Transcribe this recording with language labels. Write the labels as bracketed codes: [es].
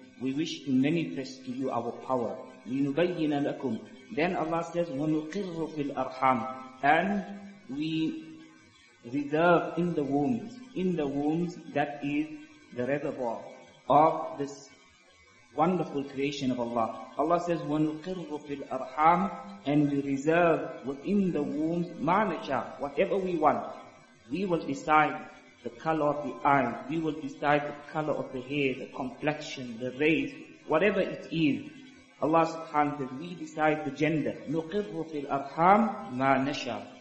[en] We wish to manifest to you our power. [ar] لِنُبَيِّنَ لَكُمْ. [en] Then Allah says, [ar] وَنُقِرُّ فِي الْأَرْحَامِ. [en] And we reserve in the wombs, that is the reservoir of this wonderful creation of Allah. Allah says, [ar] وَنُقِرُّ فِي الْأَرْحَامِ. [en] And we reserve within the wombs, [ar] مَا نَشَاءُ. [en] Whatever we want, we will decide. The color of the eyes, we will decide the color of the hair, the complexion, the race, whatever it is. Allah subhanahu wa ta'ala, we decide the gender. [ar] نُقِرُّ فِي الْأَرْحَامِ مَا نَشَاءُ.